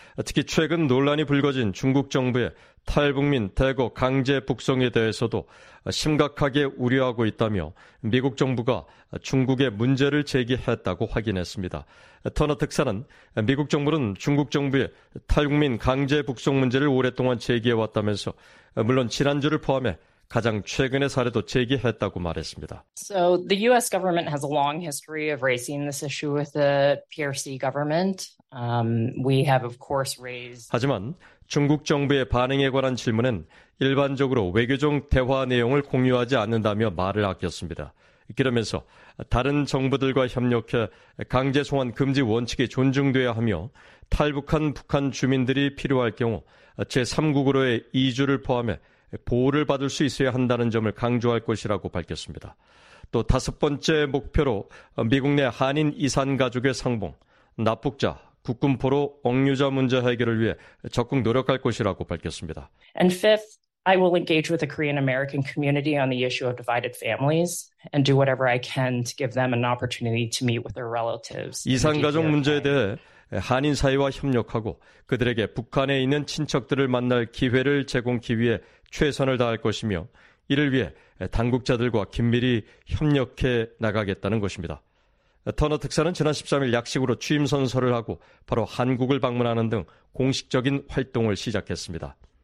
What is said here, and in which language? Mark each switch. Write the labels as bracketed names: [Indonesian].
[Korean] 특히 최근 논란이 불거진 중국 정부의 탈북민 대거 강제 북송에 대해서도 심각하게 우려하고 있다며 미국 정부가 중국에 문제를 제기했다고 확인했습니다. 터너 특사는 미국 정부는 중국 정부의 탈북민 강제 북송 문제를 오랫동안 제기해왔다면서 물론 지난주를 포함해 가장 최근의 사례도 제기했다고 말했습니다. [English] So the U.S. government has a long history of raising this issue with the PRC government. We have, of course, raised. [Korean] 하지만 중국 정부의 반응에 관한 질문은 일반적으로 외교적 대화 내용을 공유하지 않는다며 말을 아꼈습니다. 그러면서 다른 정부들과 협력해 강제 송환 금지 원칙이 존중돼야 하며 탈북한 북한 주민들이 필요할 경우 제3국으로의 이주를 포함해 보호를 받을 수 있어야 한다는 점을 강조할 것이라고 밝혔습니다. 또 다섯 번째 목표로 미국 내 한인 이산가족의 상봉, 납북자, 국군 포로, 억류자 문제 해결을 위해 적극 노력할 것이라고 밝혔습니다. [English] And fifth, I will engage with the Korean American community on the issue of divided families and do whatever I can to give them an opportunity to meet with their relatives. [Korean] 이산가족 문제에 대해 한인 사회와 협력하고 그들에게 북한에 있는 친척들을 만날 기회를 제공하기 위해 최선을 다할 것이며 이를 위해 당국자들과 긴밀히 협력해 나가겠다는 것입니다. 터너 특사는 지난 13일 약식으로 취임 선서를 하고 바로 한국을 방문하는 등 공식적인 활동을 시작했습니다.